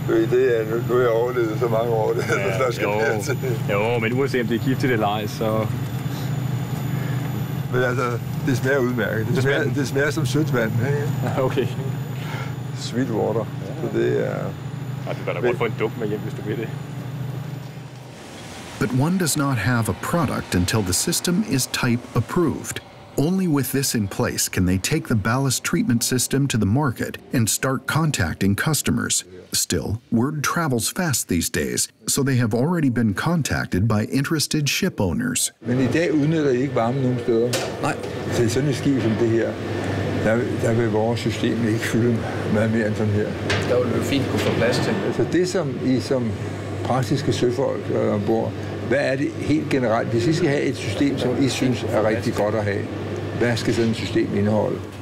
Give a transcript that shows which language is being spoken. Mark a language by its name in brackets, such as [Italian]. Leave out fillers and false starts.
[Danish] Det er, nu har jeg overlevet så mange år, det er der skal være til. Jo, men uanset om det er giftigt eller ej, så... Men altså, det smager udmærket. Det smager som sødt vand. Ja, ja. Okay. [English] Sweet water. [Danish] Ja. Så det er... Ja, du kan da godt få en dunk med hjem, hvis du vil det. [English] But one does not have a product until the system is type approved. Only with this in place can they take the ballast treatment system to the market and start contacting customers. Still, word travels fast these days, so they have already been contacted by interested ship owners. [Danish] Men i dag udnytter ikke varme nogen steder. Nej. Til sådan et skib som det her, der vil vores system ikke fylde meget mere end sådan her. Der vil det fint kunne få plads til. Altså det som I som praktiske søfolk bor, hvad er det helt generelt? Hvis I skal have et system, som I synes er rigtig godt at have, hvad skal sådan et system indeholde?